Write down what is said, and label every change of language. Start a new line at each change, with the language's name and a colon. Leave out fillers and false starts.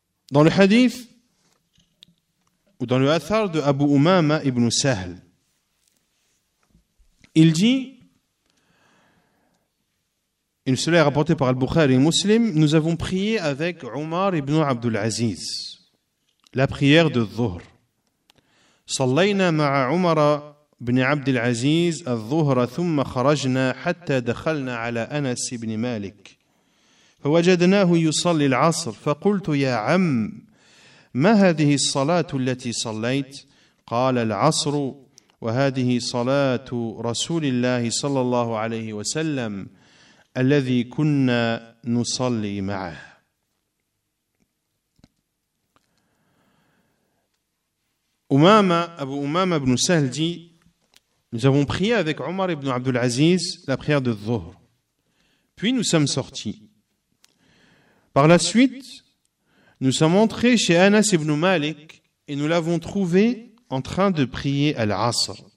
French: Dans le hadith ou dans le athar de Abu Umama ibn Sahl, il dit, une cela est rapporté par Al-Bukhari et Muslim, nous avons prié avec Omar ibn Abdul Aziz la prière de Dhuhr.
Arabic: Sallayna ma'a Umara ابن عبد العزيز الظهر ثم خرجنا حتى دخلنا على أنس بن مالك فوجدناه يصلي العصر فقلت يا عم ما هذه الصلاة التي صليت قال العصر وهذه صلاة رسول الله صلى الله عليه وسلم الذي كنا نصلي معه.
French: Et Umama, Abu Umama ibn Sahl dit, nous avons prié avec Omar ibn Abdul Aziz la prière de Dhuhr. Puis nous sommes sortis. Par la suite, nous sommes entrés chez Anas ibn Malik et nous l'avons trouvé en train de prier Al-Asr.